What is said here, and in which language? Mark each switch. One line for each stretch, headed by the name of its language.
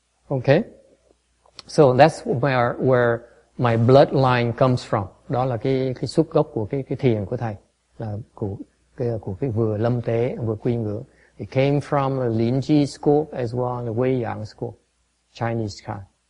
English: Okay, so that's where my bloodline comes from.
Vietnamese: Đó là cái xuất gốc của cái thiền của thầy, là của cái vừa Lâm Tế vừa quy ngưỡng.
English: It came from the Linji school as well as the Wei Yang school, Chinese Chan.